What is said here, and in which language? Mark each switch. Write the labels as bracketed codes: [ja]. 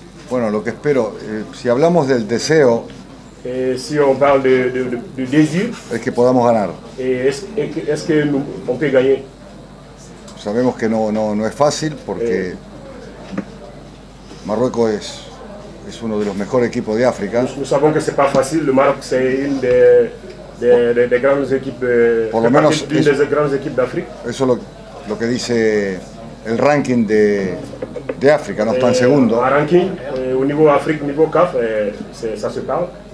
[es] Bueno, lo que espero, si hablamos del deseo, [fr] si on parle de désir, [es] es que podamos ganar. Es que [fr] on peut gagner. [es] Sabemos que no es fácil porque Marruecos es uno de los mejores equipos de África. [fr] Nous savons que c'est pas facile. Le Maroc c'est une des grandes équipes. [es] Por lo menos [fr] une des grandes équipes d'Afrique. [es] Eso lo que dice el ranking de África, no está en segundo. [fr] A ranking, un niveau Afrique, niveau CAF, ça se parle.